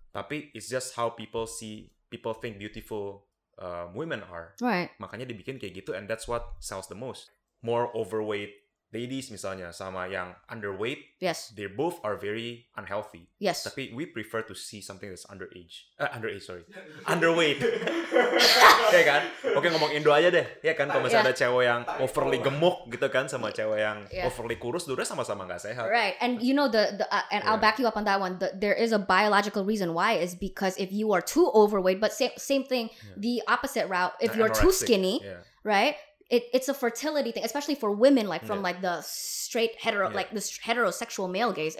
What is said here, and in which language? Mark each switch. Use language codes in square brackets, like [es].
[id] Tapi [en] it's just how people think beautiful women are. Right. [id] Makanya dibikin kayak gitu, [en] and that's what sells the most. More overweight ladies [id] misalnya sama yang [en] underweight. Yes. They both are very unhealthy. Yes. [id] Tapi [en] we prefer to see something that's underweight. [id] Ya kan? Oke, ngomong Indo aja deh. Ya kan, kalau misalnya ada cewek yang overly gemuk gitu kan sama cewek yang overly kurus, dua sama-sama enggak sehat. [en] Right. And you know I'll back you up on that one. There is a biological reason why is because if you are too overweight, but same thing, the opposite route, if you're anorexic, too skinny, right? It's a fertility thing, especially for women, like from like the straight hetero, like the heterosexual male gaze.